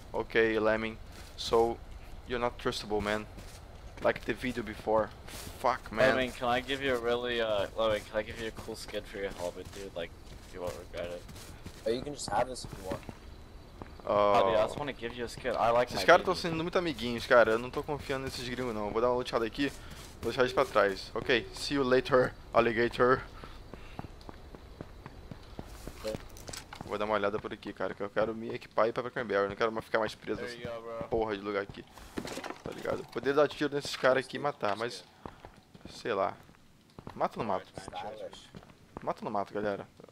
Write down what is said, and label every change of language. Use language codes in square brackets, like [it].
[en] okay, Lemming. So... You're not trustable, man. Like the video before. Fuck, man. I mean, can I give you a really, can I give you a cool skin for your helmet, dude? Like, you won't regret it. Oh, you can just have this if you want. Yeah, I just want to give you a skin. I like [pt] esses caras estão sendo muito amiguinhos, cara. Eu não tô confiando nesses gringos, não. Vou dar uma luteada aqui. Vou deixar eles pra trás. [en] Ok, see you later, alligator. [pt] Vou dar uma olhada por aqui, cara, que eu quero me equipar e ir pra Cranberry, não quero ficar mais preso nessa porra de lugar aqui, tá ligado? Poder dar tiro nesses caras aqui e matar, mas, sei lá, mata ou não mata? Mata ou não mata, galera?